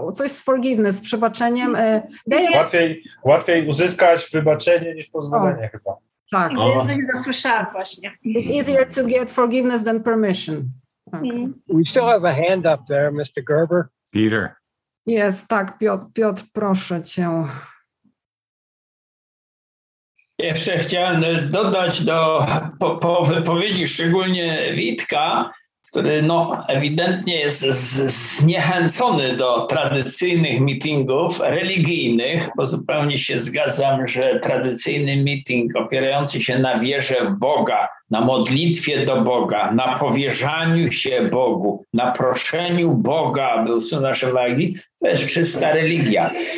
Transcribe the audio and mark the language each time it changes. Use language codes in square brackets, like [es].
[pl] coś z forgiveness, z przebaczeniem. Łatwiej uzyskać wybaczenie niż pozwolenie chyba. Tak. Nie zasłyszałam właśnie. [en] It's easier to get forgiveness than permission. Okay. We still have a hand up there, Mr. Gerber. Peter. [pl] Yes, tak, Piotr, proszę cię. Jeszcze chciałem dodać do po wypowiedzi, szczególnie Witka, który no, ewidentnie jest zniechęcony do tradycyjnych meetingów religijnych, bo zupełnie się zgadzam, że tradycyjny meeting opierający się na wierze w Boga, na modlitwie do Boga, na powierzaniu się Bogu, na proszeniu Boga, aby usunąć wagi, to jest czysta religia.